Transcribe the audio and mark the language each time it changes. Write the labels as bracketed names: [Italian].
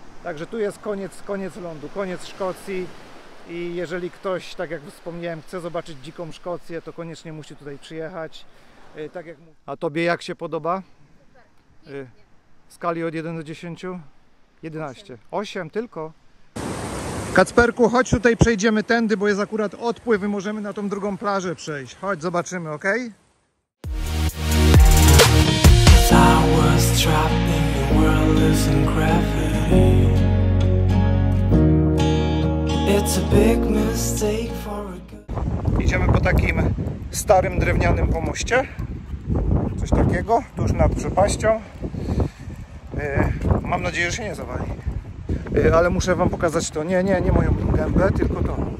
[Polish] Także tu jest koniec lądu, koniec Szkocji. I jeżeli ktoś, tak jak wspomniałem, chce zobaczyć dziką Szkocję, to koniecznie musi tutaj przyjechać. Tak jak mówię. A tobie jak się podoba? Super. W skali od 1 do 10? 11. 8 tylko. Kacperku, chodź tutaj, przejdziemy tędy, bo jest akurat odpływ i możemy na tą drugą plażę przejść. Chodź, zobaczymy, ok? [English] I was trapped in the world's gravity. It's a big mistake for a good... [Polish] Idziemy po takim starym drewnianym pomoście. Coś takiego, tuż nad przepaścią. Mam nadzieję, że się nie zawali. Ale muszę wam pokazać to. Nie moją gębę, tylko to.